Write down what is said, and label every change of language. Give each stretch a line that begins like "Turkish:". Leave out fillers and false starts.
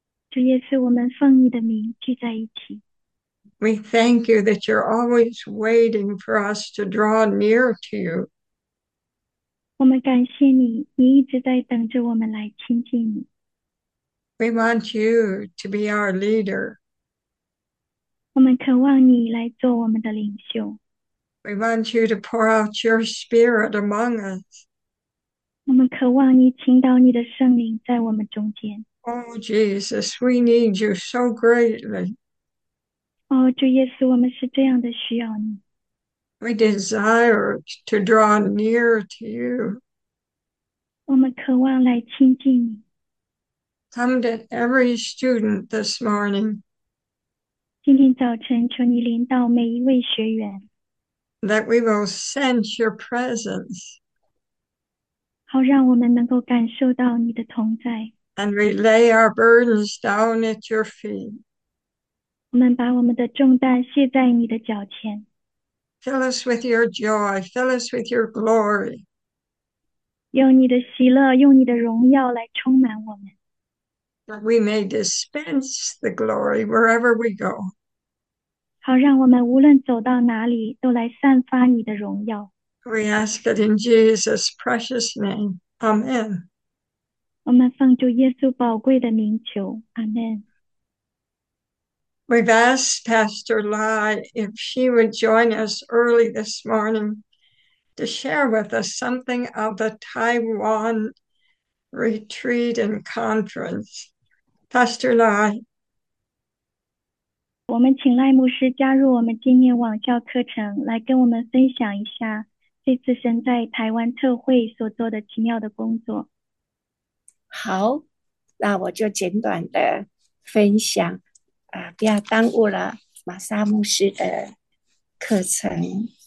Chinese: 主耶稣，我们奉你的名聚在一起。
English: We thank you that you're always waiting for us to draw near to you.
Chinese: 我们感谢你，你一直在等着我们来亲近你。
English: We want you to be our leader.
Chinese: 我们渴望你来做我们的领袖。
English: We want you to pour out your spirit among us.
Chinese: 我们渴望你倾倒你的圣灵在我们中间。
English: Oh, Jesus, we need you so greatly.
Chinese: 哦，主耶稣，我们是这样的需要你。
English: We desire to draw near to you.
Chinese: 我们渴望来亲近你。
English: Come to every student this morning.
Chinese: 今天早晨，求你临到每一位学员。
English: That we will sense your presence
Chinese: 好让我们能够感受到你的同在。
English: and relay our burdens down at your feet.
Chinese: 我们把我们的重担卸在你的脚前。
English: Fill us with your joy, fill us with your glory.
Chinese: 用你的喜乐，用你的荣耀来充满我们。
English: That we may dispense the glory wherever we go.
Chinese: 好让我们无论走到哪里，都来散发你的荣耀。
English: We ask it in Jesus' precious name. Amen.
Chinese: 我们奉主耶稣宝贵的名求，阿门。
English: We've asked Pastor Lai if she would join us early this morning to share with us something of the Taiwan retreat and conference. Pastor Lai.
Chinese: 我们请赖牧师加入我们今年网校课程，来跟我们分享一下这次神在台湾特会所做的奇妙的工作。好，那我就简短的分享不要耽误了玛莎牧师的课程。